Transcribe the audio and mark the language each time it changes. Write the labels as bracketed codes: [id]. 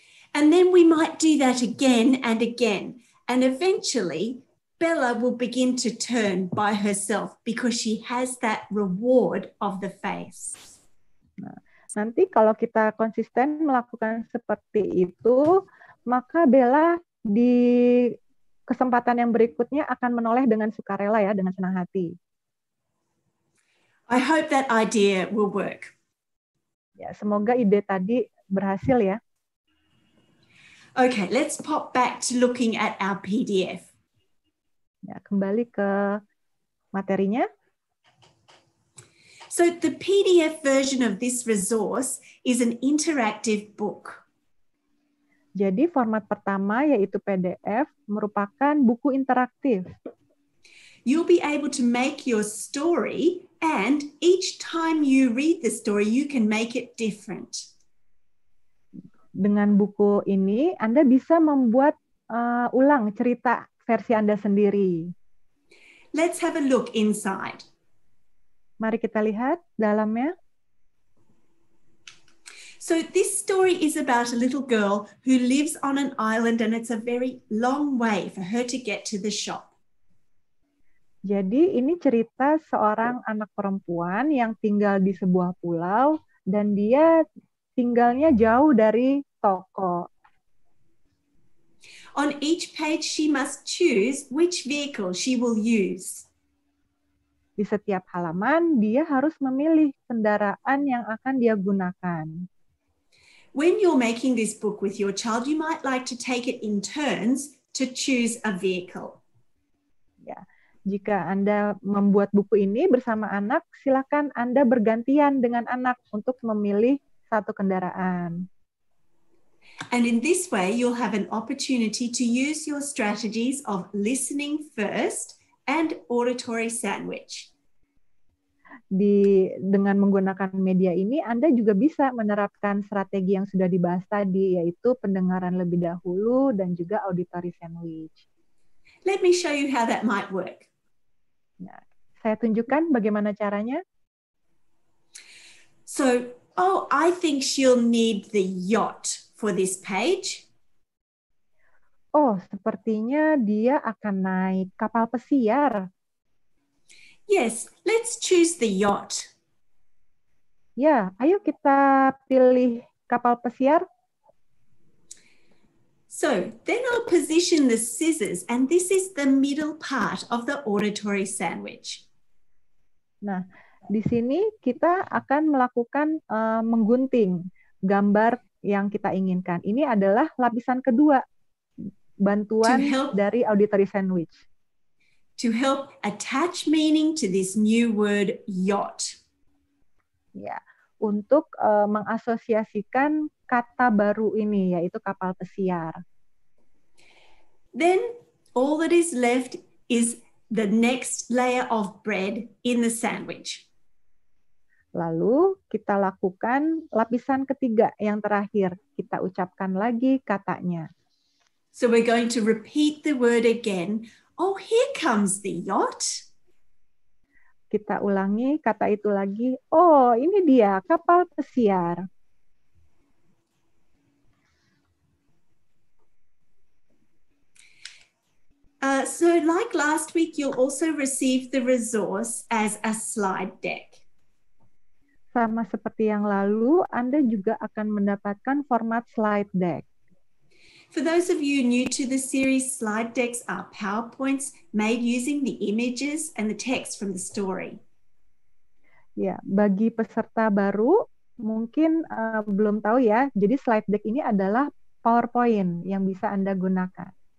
[en] And then we might do that again and again, and eventually Bella will begin to turn by herself because she has that reward of the face. [id] Nanti kalau kita konsisten melakukan seperti itu, maka Bella di kesempatan yang berikutnya akan menoleh dengan sukarela ya, dengan senang hati. [en] I hope that idea will work. [id] Ya, semoga ide tadi berhasil ya. [en] Okay, let's pop back to looking at our PDF. [id] Ya, kembali ke materinya. [en] So the PDF version of this resource is an interactive book. [id] Jadi format pertama yaitu PDF merupakan buku interaktif. [en] You'll be able to make your story and each time you read the story you can make it different. [id] Dengan buku ini Anda bisa membuat ulang cerita versi Anda sendiri. [en] Let's have a look inside. [id] Mari kita lihat dalamnya. [en] So this story is about a little girl who lives on an island and it's a very long way for her to get to the shop. [id] Jadi ini cerita seorang anak perempuan yang tinggal di sebuah pulau dan dia tinggalnya jauh dari toko. [en] On each page she must choose which vehicle she will use. [id] Di setiap halaman, dia harus memilih kendaraan yang akan dia gunakan. [en] When you're making this book with your child, you might like to take it in turns to choose a vehicle. [id] Ya, jika Anda membuat buku ini bersama anak, silakan Anda bergantian dengan anak untuk memilih satu kendaraan. [en] And in this way, you'll have an opportunity to use your strategies of listening first and auditory sandwich. [id] Dengan menggunakan media ini, Anda juga bisa menerapkan strategi yang sudah dibahas tadi, yaitu pendengaran lebih dahulu dan juga auditory sandwich. [en] Let me show you how that might work. [id] Nah, saya tunjukkan bagaimana caranya. [en] So, oh, I think she'll need the yacht for this page. [id] Oh, sepertinya dia akan naik kapal pesiar. [en] Yes, let's choose the yacht. [id] Ya, ayo kita pilih kapal pesiar. [en] So, then I'll position the scissors and this is the middle part of the auditory sandwich. [id] Nah, di sini kita akan melakukan menggunting gambar yang kita inginkan. Ini adalah lapisan kedua. Bantuan dari auditory sandwich. [en] To help attach meaning to this new word yacht. [id] Ya, untuk mengasosiasikan kata baru ini yaitu kapal pesiar. [en] Then all that is left is the next layer of bread in the sandwich. [id] Lalu kita lakukan lapisan ketiga yang terakhir. Kita ucapkan lagi katanya. [en] So we're going to repeat the word again. Oh, here comes the yacht. [id] Kita ulangi kata itu lagi. Oh, ini dia kapal pesiar. [en] Uh, So like last week, you'll also receive the resource as a slide deck. [id] Sama seperti yang lalu, Anda juga akan mendapatkan format slide deck. [en] For those of you new to the series, slide decks are PowerPoints made using the images and the text from the story. [id] Ya, bagi peserta baru, mungkin belum tahu ya, jadi slide deck ini adalah PowerPoint yang bisa Anda gunakan.